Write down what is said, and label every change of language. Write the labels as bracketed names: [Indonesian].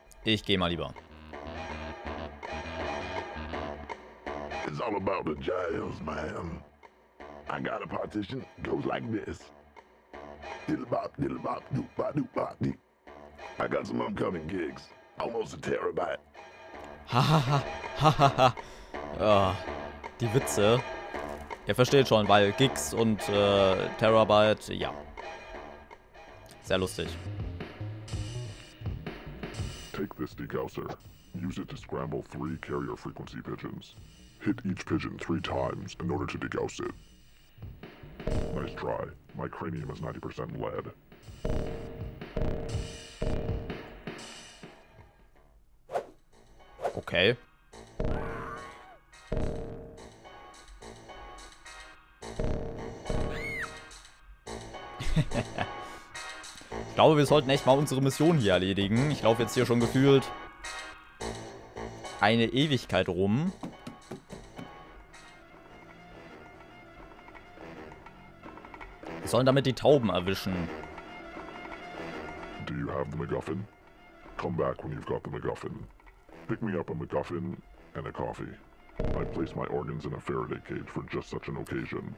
[German] Ich geh mal lieber. [English] It's all about the jails, man. I got a partition, goes like this. Diddle bop, doop bop, doop bop, dee. I got some upcoming gigs. Almost a terabyte. [German] Hahaha, hahaha. Oh, die Witze. Ihr versteht schon, weil Gigs und Terabyte, ja. Sehr lustig. [English] Take this decouser. Use it to scramble three carrier frequency pigeons. Hit each pigeon three times in order to degauss it. Nice try. My cranium is 90% lead. Okay. [German] Ich glaube, wir sollten echt mal unsere Mission hier erledigen. Ich laufe jetzt hier schon gefühlt eine Ewigkeit rum. Wir sollen damit die Tauben erwischen. [English] Do you have the MacGuffin? Come back when you've got the MacGuffin. Pick me up a MacGuffin and a coffee. I place my organs in a Faraday cage for just such an occasion.